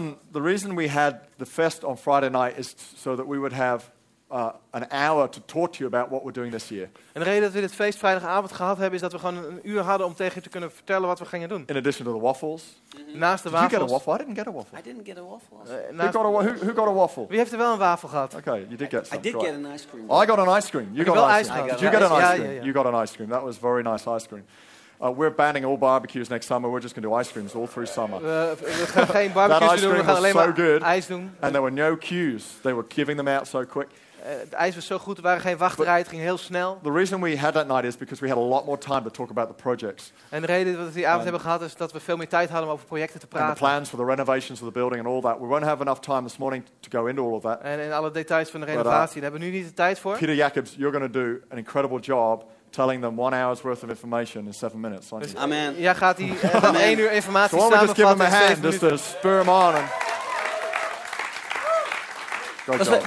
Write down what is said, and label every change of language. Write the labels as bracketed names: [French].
[English] The reason we had the fest on Friday night is so that we would have an hour to talk to you about what we're doing this year. [Dutch] En de reden dat we dit feest vrijdagavond gehad hebben is dat we gewoon een uur hadden om tegen je te kunnen vertellen wat we gingen doen. [English] In addition to the waffles. [Dutch] Mm-hmm. Naast de wafels. [English] Did you get a waffle? I didn't get a waffle. I didn't get a waffle. Who got a waffle? [Dutch] Wie heeft er wel een wafel gehad? [English] Okay, you did get some. I did get an ice cream. Oh, I got an ice cream. You got an ice cream. Did you get an ice cream? Yeah. You got an ice cream. That was very nice ice cream. We're banning all barbecues next summer. We're just going to do ice creams all through summer. That ice cream was so good. [Dutch] Ice doen. [English] And there were no queues. They were giving them out so quick. [Dutch] Het ijs was zo goed, er waren geen wachtrij, het ging heel snel. [English] The reason we had that night is because we had a lot more time to talk about the projects. [Dutch] En de reden dat we die avond hebben gehad is dat we veel meer tijd hadden om over projecten te praten. [English] And the plans for the renovations of the building and all that. We won't have enough time this morning to go into all of that. [Dutch] En in alle details van de renovatie, daar hebben we nu niet de tijd voor. [English] Peter Jacobs, you're going to do an incredible job telling them 1 hour's worth of information in 7 minutes. Aren't you? Amen. [Dutch] Ja, gaat die 1 uur informatie samenvatten. [English] So why don't we just give them a hand, just to spur them on. And